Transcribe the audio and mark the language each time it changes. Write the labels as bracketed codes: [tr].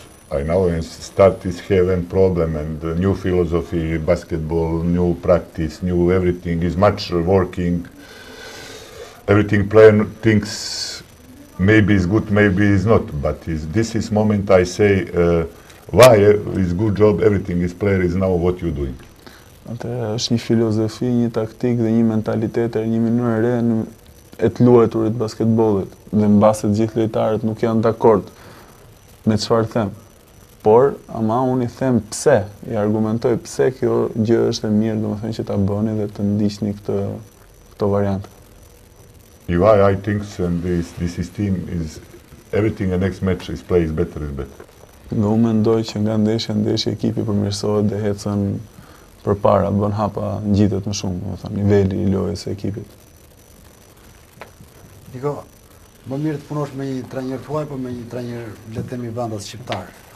[en] I know and start is having problem and new philosophy, basketball, new practice, new everything is much working. Everything player thinks maybe is good, maybe is not, but is, this is moment I say why is good job, everything is player is now what you doing. [sq] Atë është një filozofi, një taktik dhe një mentalitet e një mënyrë e re e të luajturit basketbollit dhe në basë të gjithë lojtarët nuk janë dakord me çfarë them. Por, ama unë i them pse, i argumentoj pse kjo gjë është e mirë, do më thënë që ta bëni dhe të ndiqni këto variantë. [en] Why I think and this team is everything the next match is play is better is better. [sq] Nga unë mendoj që nga ndeshja ndeshja ekipi përmirësohet dhe hecën për para, bën hapa ngjitet më shumë, do më thënë, niveli i lojës e ekipit. Niko, më mirë të punosh me një trajner tuaj, po me një trajner, le të themi, bandas shqiptarë.